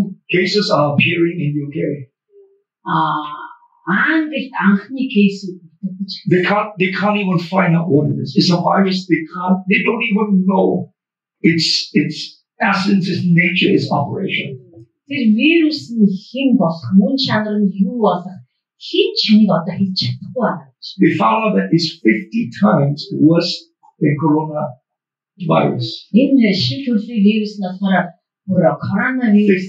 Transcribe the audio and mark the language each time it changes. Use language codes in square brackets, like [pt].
[en] Cases are appearing in UK. They can't even find out what it is. It's a virus. They don't even know its essence, its nature, its operation. [mn] Тэр вирус нь хэн болох, мөн чанар нь юу болох, хэн чинь одоо хэлж чадахгүй байна. [en] We found that it's 50 times worse than corona virus. [mn] Энэ шинэ төрлийн вирус нь болохоор бүр коронавирус